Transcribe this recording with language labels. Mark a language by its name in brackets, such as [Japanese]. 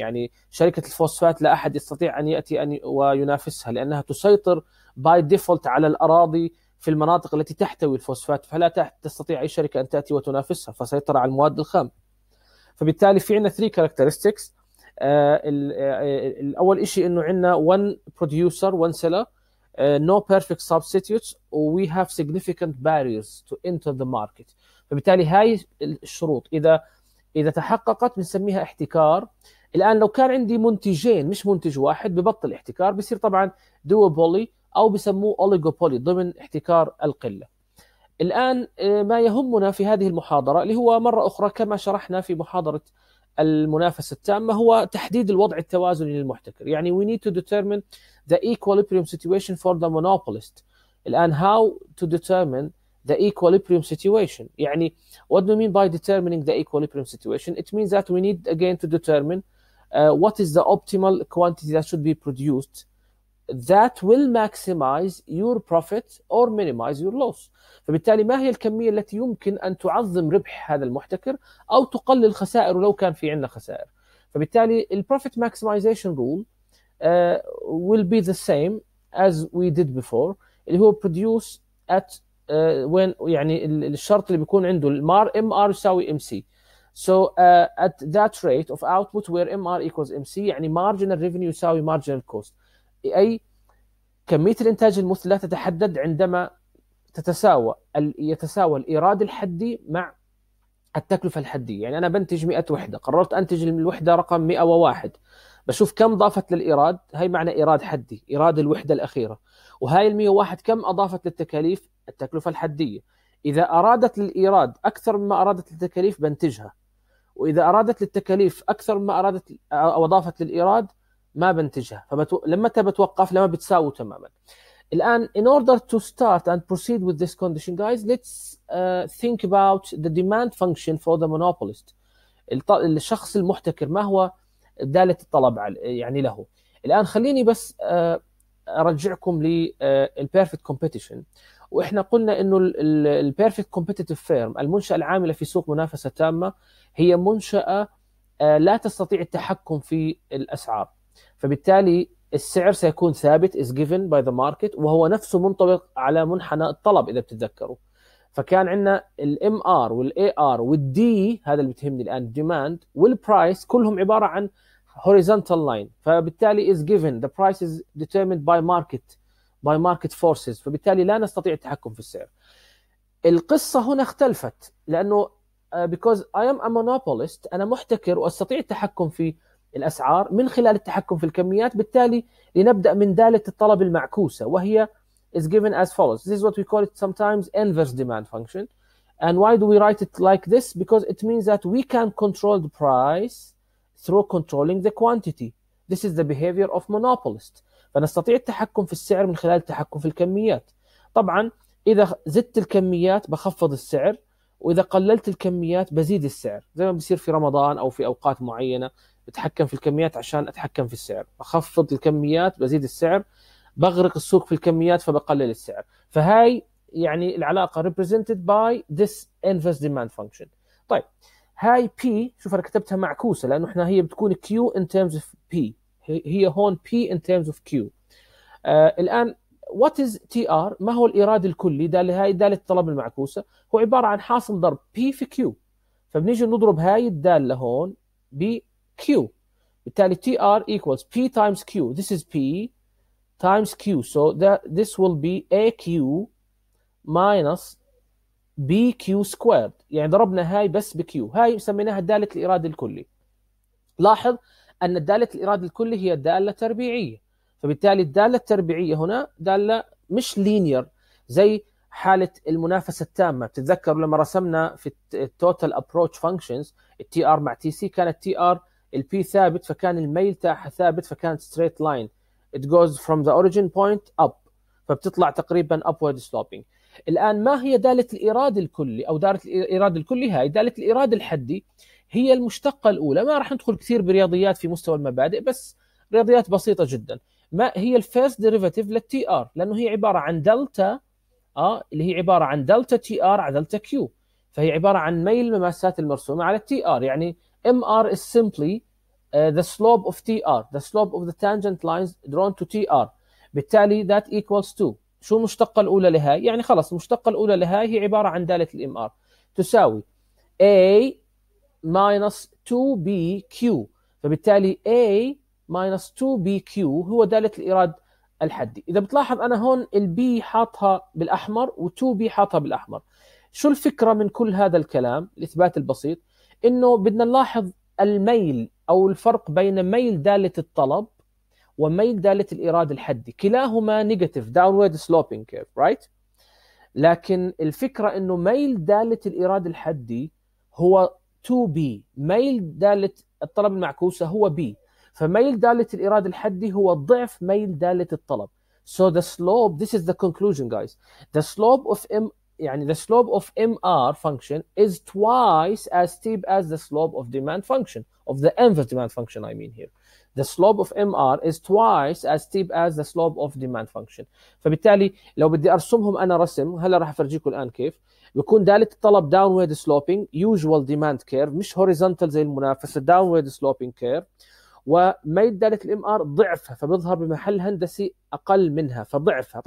[Arabic] يعني شركة الفوسفات لا أحد يستطيع أن يأتي وينافسها، لأنها تسيطر [English] by default [Arabic] على الأراضي في المناطق التي تحتوي الفوسفات، فلا تستطيع أي شركة أن تأتي وتنافسها، فسيطر على المواد الخام. فبالتالي في عندنا [English] three characteristics، [Arabic] الأول إشي إنه عندنا [English] one producer one seller no perfect substitutes we have significant barriers to enter the market. [Arabic] فبالتالي هاي الشروط إذا تحققت بنسميها احتكار. الآن لو كان عندي منتجين مش منتج واحد ببطل احتكار، بيصير طبعا duopoly أو بسموه oligopoly ضمن احتكار القلة. الآن ما يهمنا في هذه المحاضرة اللي هو مرة أخرى كما شرحنا في محاضرة المنافسة التامة هو تحديد الوضع التوازني للمحتكر، يعني [English] we need to determine the equilibrium situation for the monopolist. [Arabic] الآن [English] how to determine the equilibrium situation، يعني what do we mean by determining the equilibrium situation؟ It means that we need again to determine what is the optimal quantity that should be produced that will maximize your profit or minimize your loss. [Arabic] فبالتالي ما هي الكمية التي يمكن أن تعظم ربح هذا المحتكر أو تقلل خسائره لو كان في عندنا خسائر. فبالتالي الـ [English] profit maximization rule will be the same as we did before [Arabic] اللي هو [English] produce at when [Arabic] يعني الشرط اللي بيكون عنده المار [English] MR [Arabic] يساوي [English] MC. So at that rate of output where MR equals MC [Arabic] يعني marginal revenue يساوي [English] marginal cost. [Arabic] أي كمية الإنتاج المثلى تتحدد عندما يتساوى الإيراد الحدي مع التكلفة الحدية. يعني أنا بنتج 100 وحدة، قررت أنتج الوحدة رقم 101، بشوف كم ضافت للإيراد، هاي معنى إيراد حدي، إيراد الوحدة الأخيرة، وهاي 101 كم أضافت للتكاليف، التكلفة الحدية. إذا أرادت للإيراد أكثر مما أرادت للتكاليف بنتجها، وإذا أرادت للتكاليف أكثر مما أرادت أو أضافت للإيراد ما بنتجها، لما بتوقف لما بتساوي تماما. [English] الآن in order to start and proceed with this condition guys let's think about the demand function for the monopolist. [Arabic] الشخص المحتكر ما هو دالة الطلب يعني له. الآن خليني بس أرجعكم للperfect competition. وإحنا قلنا إنه الperfect competitive firm المنشأة العاملة في سوق منافسة تامة هي منشأة لا تستطيع التحكم في الأسعار، فبالتالي السعر سيكون ثابت [English] is given by the market [Arabic] وهو نفسه منطبق على منحنى الطلب إذا بتتذكروا. فكان عندنا الـ MR والـ AR والـ D هذا اللي بتهمني الآن demand والـ price كلهم عبارة عن [English] horizontal line. فبالتالي is given the price is determined by market forces. [Arabic] فبالتالي لا نستطيع التحكم في السعر. القصة هنا اختلفت لأنه [English] because I am a monopolist [Arabic] أنا محتكر وأستطيع التحكم في الأسعار من خلال التحكم في الكميات. بالتالي لنبدأ من دالة الطلب المعكوسة وهي [English] is given as follows. This is what we call it sometimes inverse demand function. And why do we write it like this? Because it means that we can control the price through controlling the quantity. This is the behavior of monopolist. [Arabic] فنستطيع التحكم في السعر من خلال التحكم في الكميات. طبعا إذا زدت الكميات بخفض السعر وإذا قللت الكميات بزيد السعر، زي ما بيصير في رمضان أو في أوقات معينة بتحكم في الكميات عشان أتحكم في السعر، بخفض الكميات بزيد السعر، بغرق السوق في الكميات فبقلل السعر. فهاي يعني العلاقة [English] represented by this inverse demand function. [Arabic] طيب هاي P شوف أنا كتبتها معكوسة لأنه إحنا هي بتكون [English] Q in terms of P، [Arabic] هي هون [English] P in terms of Q. [Arabic] الآن [English] what is TR؟ [Arabic] ما هو الإيراد الكلي؟ دالة هاي دالة الطلب المعكوسة، هو عبارة عن حاصل ضرب P في Q. فبنيجي نضرب هاي الدالة هون ب Q. [English] بالتالي TR equals P times Q. This is P times Q. So this will be AQ minus BQ squared. [Arabic] يعني ضربنا هاي بس بQ. هاي سميناها دالة الإيراد الكلي. لاحظ أن دالة الإيراد الكلي هي دالة تربيعية. فبالتالي الدالة التربيعية هنا دالة مش لينير زي حالة المنافسة التامة. تتذكروا لما رسمنا في التوتال أبروتش فانكشنز TR مع TC كانت TR الP ثابت فكان الميل تاعها ثابت فكانت [English] straight line it goes from the origin point up فبتطلع تقريبا upward sloping. [Arabic] الآن ما هي دالة الإيراد الكلي أو دالة الإيراد الكلي؟ هاي دالة الإيراد الحدي هي المشتقة الأولى. ما راح ندخل كثير برياضيات في مستوى المبادئ بس رياضيات بسيطة جدا. ما هي الفيرست ديريفاتيف للتي ار؟ لأنه هي عبارة عن دلتا اللي هي عبارة عن دلتا تي ار على دلتا كيو، فهي عبارة عن ميل مماسات المرسومة على التي ار. [English] يعني MR is simply the slope of TR, the slope of the tangent lines drawn to TR. [Arabic] بالتالي [English] that equals to [Arabic] شو المشتقة الأولى لها؟ يعني خلاص المشتقة الأولى لها هي عبارة عن دالة الـ MR تساوي A minus 2BQ. فبالتالي A minus 2BQ هو دالة الإيراد الحدي. إذا بتلاحظ أنا هون الB حاطها بالأحمر و2B حاطها بالأحمر. شو الفكرة من كل هذا الكلام الإثبات البسيط؟ إنه بدنا نلاحظ الميل أو الفرق بين ميل دالة الطلب وميل دالة الإيراد الحدي، كلاهما [English] Negative downward sloping curve, right? [Arabic] لكن الفكرة إنه ميل دالة الإيراد الحدي هو 2B، ميل دالة الطلب المعكوسة هو B، فميل دالة الإيراد الحدي هو ضعف ميل دالة الطلب. [English] So the slope, this is the conclusion guys, the slope of M [Arabic] يعني [English] the slope of MR function is twice as steep as the slope of demand function, of the inverse demand function I mean here. The slope of MR is twice as steep as the slope of demand function. [Arabic] فبالتالي لو بدي أرسمهم أنا رسم، هلا راح أفرجيكم الآن كيف يكون دالة الطلب [English] downward sloping usual demand curve، [Arabic] مش horizontal زي المنافسة، [English] downward sloping curve، [Arabic] وميل دالة الـ MR ضعفها، فبيظهر بمحل هندسي أقل منها فضعفها.